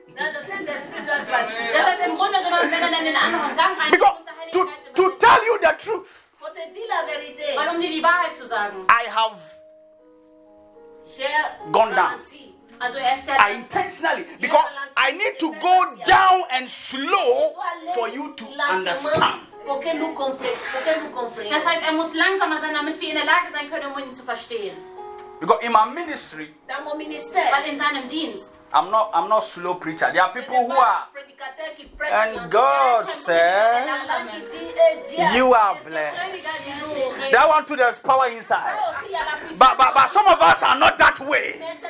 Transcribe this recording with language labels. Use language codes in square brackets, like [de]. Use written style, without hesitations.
[en] Because to tell you the truth, I have gone down. I intentionally, because I need to go down and slow for you to understand. [de] Das heißt, er muss langsamer sein, damit wir in der Lage sein können, um ihn zu verstehen. [en] Because in my ministry, [de] weil in seinem Dienst, [en] I'm not slow preacher. There are people who are And God said, you are blessed. That one too, there's power inside. But some of us are not that way.